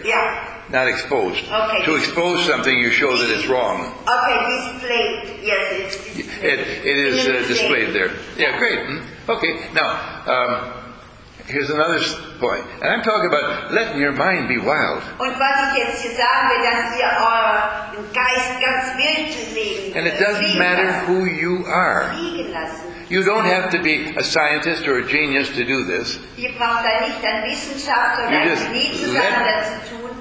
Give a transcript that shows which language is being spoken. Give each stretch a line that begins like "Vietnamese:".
English: Yeah. Not exposed. Okay. To expose something, you show that it's wrong. Okay, displayed. Yes, it's displayed. It is displayed there. Yeah, great. Okay, now, here's another point. And I'm talking about letting your mind be wild.
German: Und was ich jetzt hier sagen will, dass ihr euer Geist ganz wild zu legen.
English: And it doesn't matter who you are. You don't have to be a scientist or a genius to do this.
German: Ihr braucht da nicht ein Wissenschaftler oder ein Genie zusammen, das zu tun.